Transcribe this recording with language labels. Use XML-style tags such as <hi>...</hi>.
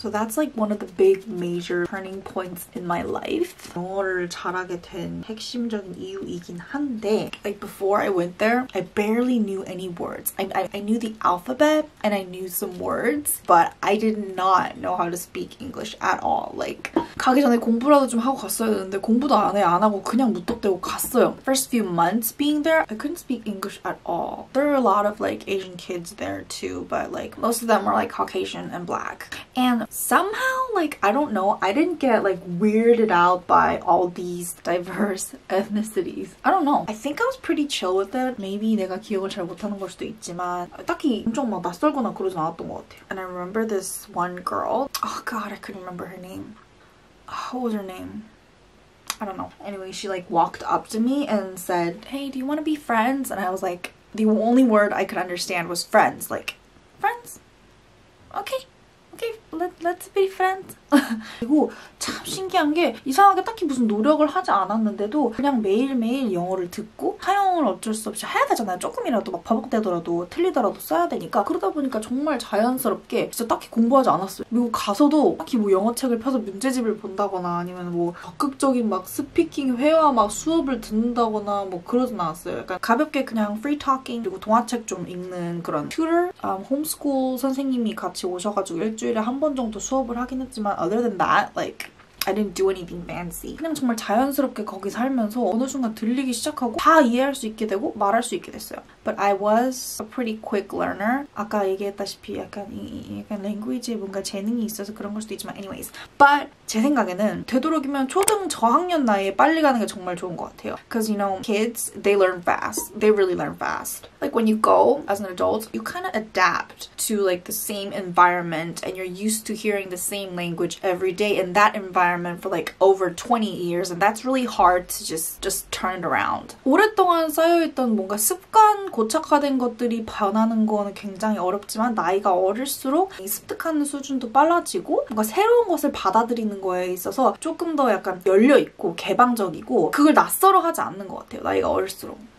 <en>So that's like one of the big major turning points in my life.</en> <ko>영어를 잘하게 된 핵심적인 이유이긴 한데</ko> <en>Like before I went there, I barely knew any words. I knew the alphabet and I knew some words, but I did not know how to speak English at all. Like</en> <ko>가기 전에 공부라도 좀 하고 갔어야 했는데 공부도 안 해, 안 하고 그냥 무턱대고 갔어요.</ko> <en>First few months being there, I couldn't speak English at all. There were a lot of like Asian kids there too, but like most of them were like Caucasian and black. And somehow, like I don't know, I didn't get like weirded out by all these diverse ethnicities. I don't know. I think I was pretty chill with it.</en> <ko>Maybe 내가 기억을 잘 못하는 걸 수도 있지만 딱히 엄청 막 낯설거나 그러진 않았던 것 같아요.</ko> <en>And I remember this one girl. Oh god, I couldn't remember her name. What was her name? I don't know. Anyway, she like walked up to me and said, hey, do you want to be friends? And I was like, the only word I could understand was friends. Like, friends? Okay. Okay, let's be friends.</en> <ko>그리고 참 신기한 게 이상하게 딱히 무슨 노력을 하지 않았는데도 그냥 매일매일 영어를 듣고 사용을 어쩔 수 없이 해야 되잖아요. 조금이라도 막 버벅대더라도 틀리더라도 써야 되니까 그러다 보니까 정말 자연스럽게 진짜 딱히 공부하지 않았어요. 미국 가서도 딱히 뭐 영어책을 펴서 문제집을 본다거나 아니면 뭐 적극적인 막 스피킹 회화 막 수업을 듣는다거나 뭐 그러진 않았어요. 약간 가볍게 그냥 free talking 그리고 동화책 좀 읽는 그런 tutor, homeschool 선생님이 같이 오셔가지고 일주일에 한 번 정도 수업을 하긴 했지만</ko> <en>other than that, like I didn't do anything fancy.</en> <ko>그냥 정말 자연스럽게 거기 살면서 어느 순간 들리기 시작하고 다 이해할 수 있게 되고 말할 수 있게 됐어요.</ko> <en>But I was a pretty quick learner.</en> <ko>아까 얘기했다시피 약간 language에 뭔가 재능이 있어서 그런 걸 수도 있지만 anyways. But 제 생각에는 되도록이면 초등 저학년 나이에 빨리 가는 게 정말 좋은 것 같아요.</ko> <en>Because you know, kids, they learn fast. They really learn fast. Like when you go as an adult, you kind of adapt to like the same environment and you're used to hearing the same language every day in that environment for like over 20 years. And that's really hard to just turn it around.</en> <ko>오랫동안 쌓여있던 뭔가 습관 고착화된 것들이 변하는 건 굉장히 어렵지만 나이가 어릴수록 이 습득하는 수준도 빨라지고 뭔가 새로운 것을 받아들이는 거에 있어서 조금 더 약간 열려있고 개방적이고 그걸 낯설어하지 않는 것 같아요. 나이가 어릴수록.</ko>